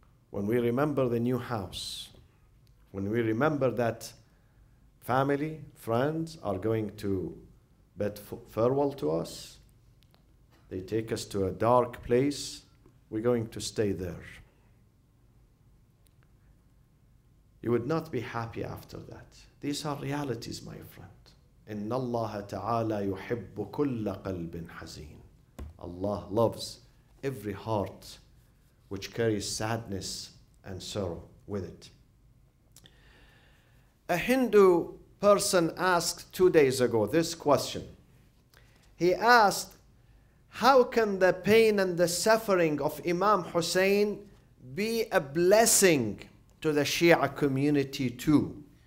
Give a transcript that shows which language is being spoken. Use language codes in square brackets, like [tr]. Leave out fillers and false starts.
[en] When we remember the new house, when we remember that family, friends are going to bid farewell to us, they take us to a dark place, we're going to stay there. You would not be happy after that. These are realities, my friend. [ar] إن الله تعالى يحب كل قلب حزين. [en] Allah loves every heart which carries sadness and sorrow with it. A Hindu person asked 2 days ago this question. He asked, how can the pain and the suffering of Imam Hussein be a blessing to the Shia community too?